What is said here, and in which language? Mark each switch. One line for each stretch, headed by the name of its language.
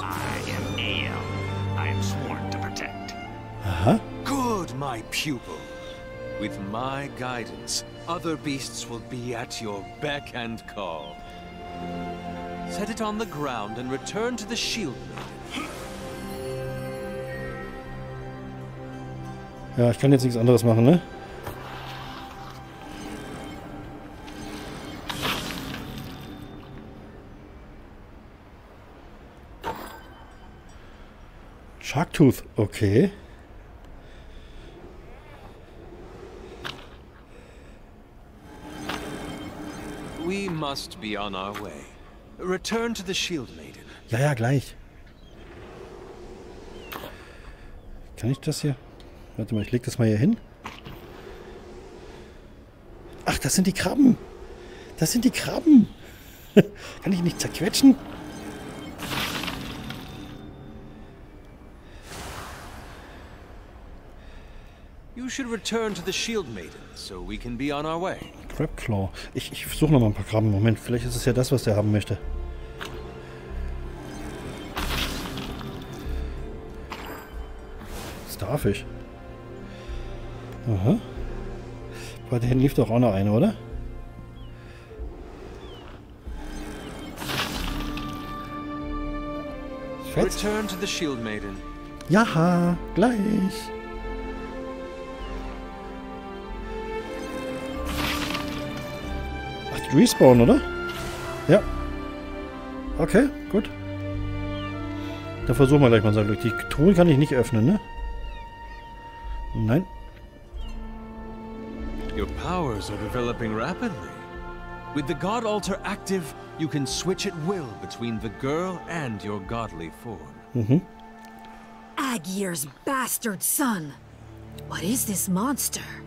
English: I am Ael. I am sworn to protect. Aha. Good, my pupil. With my guidance, other beasts will be at your beck and call. Set it on the ground and return to the shield.
German: Ja, ich kann jetzt nichts anderes machen, ne?
English: Sharktooth, okay. Must be on our way. Return to the Shield Maiden.
German: Ja, ja, gleich. Kann ich das hier? Warte mal, ich leg das mal hier hin. Ach, das sind die Krabben. Das sind die Krabben. Kann ich nicht zerquetschen?
English: You should return to the Shield Maiden, so we can be on our way. Crabclaw.
German: Ich suche noch mal ein paar Krabben. Moment, vielleicht ist es ja das, was der haben möchte. Starfish. Aha. Bei denen lief doch auch noch eine, oder?
English: Return to the Shield Maiden.
German: Jaha, gleich. Respawn, oder? Ja. Okay, gut. Dann versuchen wir gleich mal sein Glück. Die Truhe kann ich nicht öffnen, ne? Nein.
English: Your powers are developing rapidly. With the God Altar active, you can switch at will between the girl and your godly form. Mhm. Aegir's bastard son. What is this monster?